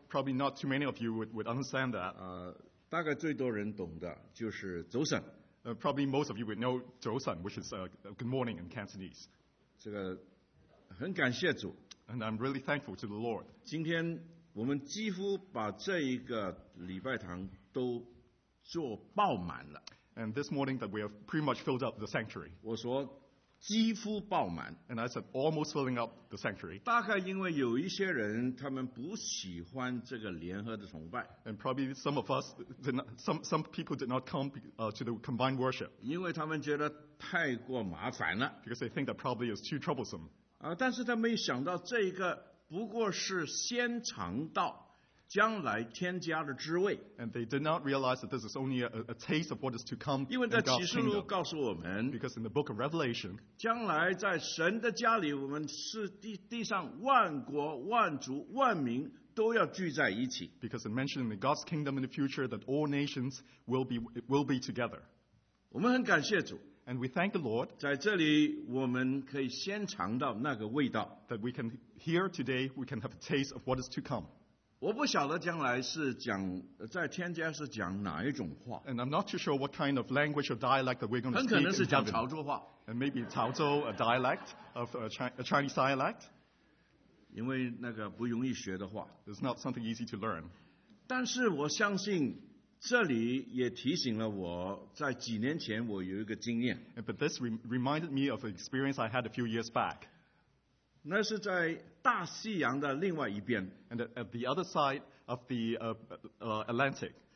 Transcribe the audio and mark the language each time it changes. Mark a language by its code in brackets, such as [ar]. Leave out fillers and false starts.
[en] Probably not too many of you would understand that. [zh] 大概最多人懂的就是早晨。 [en] Probably most of you would know 早晨 which is good morning in Cantonese. [zh] 这个很感谢主。 [en] And I'm really thankful to the Lord. [zh] 今天我们几乎把这一个礼拜堂都做爆满了。 [en] And this morning that we have pretty much filled up the sanctuary. [zh] 我说几乎爆满。 [en] And I said almost filling up the sanctuary. [zh] 大概因为有一些人他们不喜欢这个联合的崇拜。 [en] And probably some of us, some people did not come to the combined worship. [zh] 因为他们觉得太过麻烦了。 [en] Because they think that probably is too troublesome. [zh] 但是他没想到这个不过是先尝到。将来添加的滋味。 [en] And they did not realize that this is only a taste of what is to come. [zh] 因为在启示录告诉我们。 [en] Because in the book of Revelation. [zh] 将来在神的家里，我们是地上万国万族万民都要聚在一起。 [en] Because it mentioned in the God's kingdom in the future that all nations will be together. [zh] 我们很感谢主。 [en] And we thank the Lord [zh] 在这里我们可以先尝到那个味道, [en] that we can hear today, we can have a taste of what is to come. [zh] 我不晓得将来是讲在天家是讲哪一种话, [en] and I'm not too sure what kind of language or dialect that we're going to speak. [zh] 很可能是讲潮州话, [en] and maybe 潮州, a dialect of a Chinese dialect. [zh] 因为那个不容易学的话, [en] it's not something easy to learn. [zh] 但是我相信 这里也提醒了我在几年前我有一个经验, [en] but this reminded me of an experience I had a few years back. [zh] 那是在大西洋的另外一边, [en] and at the other side of the Atlantic,